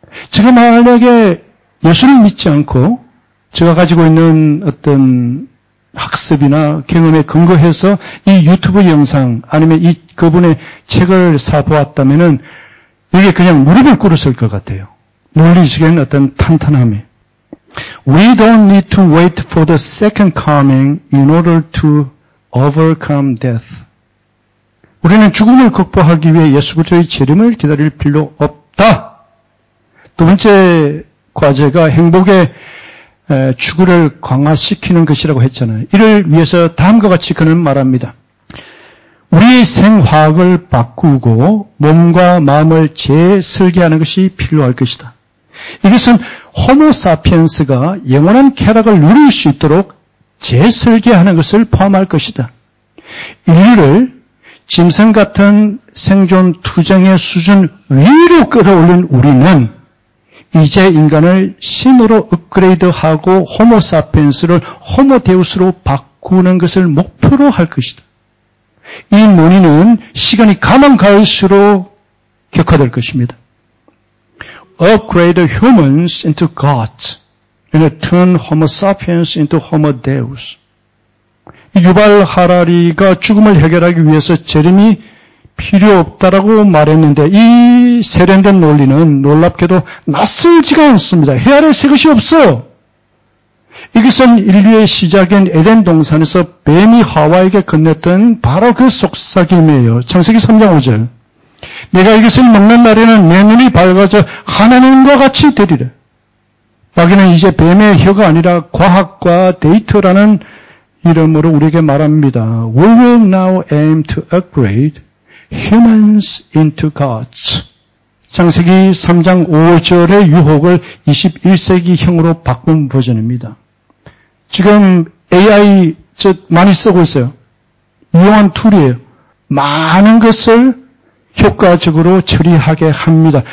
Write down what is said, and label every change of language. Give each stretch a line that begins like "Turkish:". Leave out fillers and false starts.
Korean: 제가 만약에 예수를 믿지 않고 제가 가지고 있는 어떤 학습이나 경험에 근거해서 이 유튜브 영상 아니면 이 그분의 책을 사보았다면은 이게 그냥 무릎을 꿇었을 것 같아요. 물리적인 어떤 탄탄함이.
English: We don't need to wait for the second coming in order to overcome death.
Korean: 우리는 죽음을 극복하기 위해 예수 그리스도의 재림을 기다릴 필요 없다. 두 번째 과제가 행복의 추구를 강화시키는 것이라고 했잖아요. 이를 위해서 다음과 같이 그는 말합니다. 우리의 생화학을 바꾸고 몸과 마음을 재설계하는 것이 필요할 것이다. 이것은 호모사피엔스가 영원한 쾌락을 누릴 수 있도록 재설계하는 것을 포함할 것이다. 인류를 짐승 같은 생존 투쟁의 수준 위로 끌어올린 우리는 이제 인간을 신으로 업그레이드하고 호모사피엔스를 호모데우스로 바꾸는 것을 목표로 할 것이다. 이 논의는 시간이 가면 갈수록 격화될 것입니다.
English: Upgrade humans into gods and turn homo sapiens into homo deus.
Korean: 유발 하라리가 죽음을 해결하기 위해서 재림이 필요 없다라고 말했는데 이 세련된 논리는 놀랍게도 낯설지가 않습니다. 해 아래 새 것이 없어. 이것은 인류의 시작인 에덴 동산에서 뱀이 하와에게 건넸던 바로 그 속삭임이에요. 창세기 3장 5절. 내가 이것을 먹는 날에는 내 눈이 밝아져 하나님과 같이 되리라. 마귀는 이제 뱀의 혀가 아니라 과학과 데이터라는 이름으로 우리에게 말합니다.
English: We will now aim to upgrade humans into gods.
Korean: 창세기 3장 5절의 유혹을 21세기형으로 바꾼 버전입니다. 지금 AI 많이 쓰고 있어요. 유용한 툴이에요. 많은 것을 효과적으로 처리하게 합니다.